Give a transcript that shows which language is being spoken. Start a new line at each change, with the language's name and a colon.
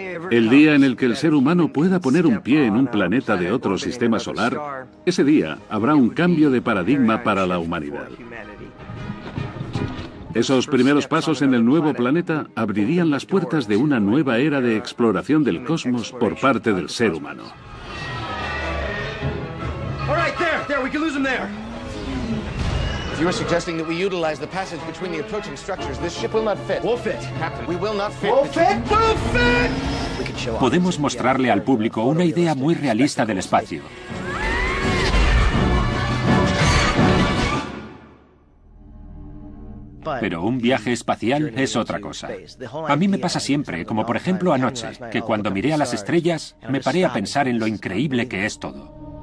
Spanish: El día en el que el ser humano pueda poner un pie en un planeta de otro sistema solar, ese día habrá un cambio de paradigma para la humanidad. Esos primeros pasos en el nuevo planeta abrirían las puertas de una nueva era de exploración del cosmos por parte del ser humano.
English: All right, there, we can lose them there. If you are suggesting that we utilize the passage between the approaching structures, this ship will not fit. We'll fit, Captain. We will not fit. We'll fit, we'll fit.
Spanish: Podemos mostrarle al público una idea muy realista del espacio. Pero un viaje espacial es otra cosa. A mí me pasa siempre, como por ejemplo anoche, que cuando miré a las estrellas, me paré a pensar en lo increíble que es todo.